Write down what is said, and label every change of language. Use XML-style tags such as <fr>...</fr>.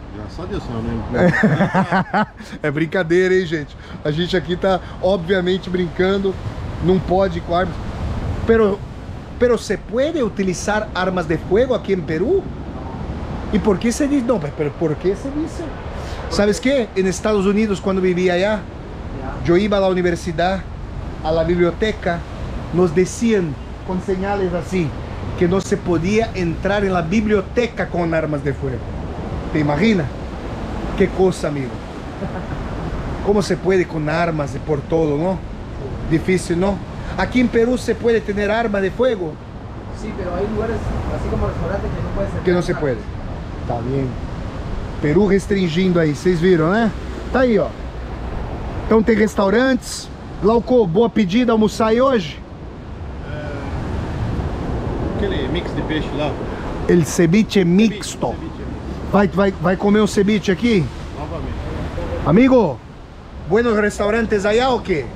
<pt>Graças a Deus, senhor, né? É brincadeira, hein, gente? A gente aqui tá, obviamente, brincando. Não pode com armas.</pt> <es>Pero se puede utilizar armas de</es> <pt>fogo aqui em Peru? E por que você diz... Não, pero por que você diz...</pt> <es>Sabes que?</es> <pt>Em Estados Unidos, quando vivia</pt> <es>allá,</es> <pt>eu ia à universidade,</pt> <es>a la biblioteca, nos decían con señales así que no se podía entrar en la biblioteca con armas de fuego. ¿Te imaginas? ¿Qué cosa, amigo? ¿Cómo se puede con armas de por todo, no? Difícil, ¿no? Aquí en Perú se puede tener arma de fuego. Sí, pero hay lugares así como restaurantes que no puede ser. Que no se puede. Está bien. Perú restringiendo ahí, ¿ustedes vieron, eh? Está ahí, ó. Entonces, hay restaurantes.</es> <pt>Glauco, boa pedida, almoçar aí hoje? Aquele mix de peixe lá.</pt> <es>El ceviche mixto.</es> <pt>Vai comer um ceviche aqui? Novamente.</pt> <es>Amigo, buenos restaurantes</es> <pt>aí, ou quê?</pt>